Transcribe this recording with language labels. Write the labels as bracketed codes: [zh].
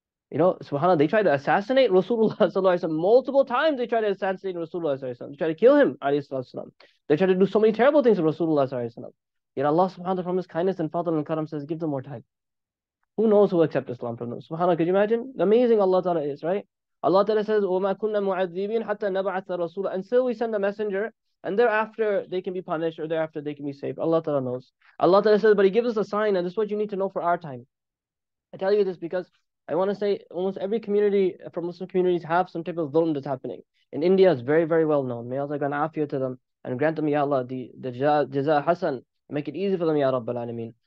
[en] You know, subhanAllah, they tried to assassinate Rasulullah Sallallahu Alaihi Wasallam. Multiple times they tried to assassinate Rasulullah Sallallahu Alaihi Wasallam. They tried to kill him, alayhi sallallahu alayhi wasallam. They tried to do so many terrible things to Rasulullah Sallallahu Alaihi Wasallam. Yet Allah subhanahu wa ta'ala, from his kindness and fadl and karam, says, give them more time. Who knows who will accept Islam from them? SubhanAllah, could you imagine? Amazing Allah ta'ala is, right? Allah ta'ala says, [ar] وَمَا كُنَّا مُعَذِّبِينَ حَتَّى نَبْعَثَ رَسُولًا. [en] Until we send a messenger, and thereafter they can be punished, or thereafter they can be saved. Allah ta'ala knows. Allah ta'ala says, but he gives us a sign, and this is what you need to know for our time. I tell you this because I want to say almost every community from Muslim communities have some type of dhulm that's happening. In India, it's very, very well known. May Allah grant afiyah to them, and grant them, Ya Allah, the jaza hasan, make it easy for them, Ya Rabbal Alameen.